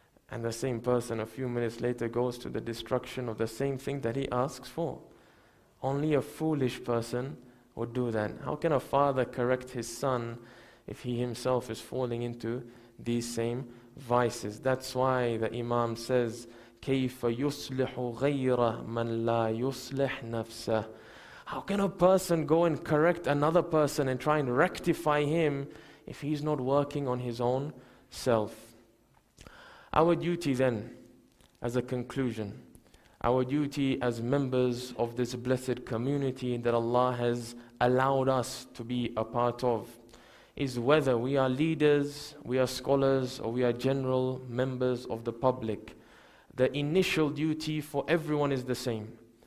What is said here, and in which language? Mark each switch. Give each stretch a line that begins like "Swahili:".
English: And the same person a few minutes later goes to the destruction of the same thing that he asks for. Only a foolish person would do that. How can a father correct his son if he himself is falling into these same vices? That's why the Imam says,
Arabic: كَيْفَ يُصْلِحُ غَيْرَ مَنْ لَا يُصْلِحْ نَفْسَهُ.
English: How can a person go and correct another person and try and rectify him if he's not working on his own self? Our duty then, as a conclusion, our duty as members of this blessed community that Allah has allowed us to be a part of, is whether we are leaders, we are scholars, or we are general members of the public, the initial duty for everyone is the same.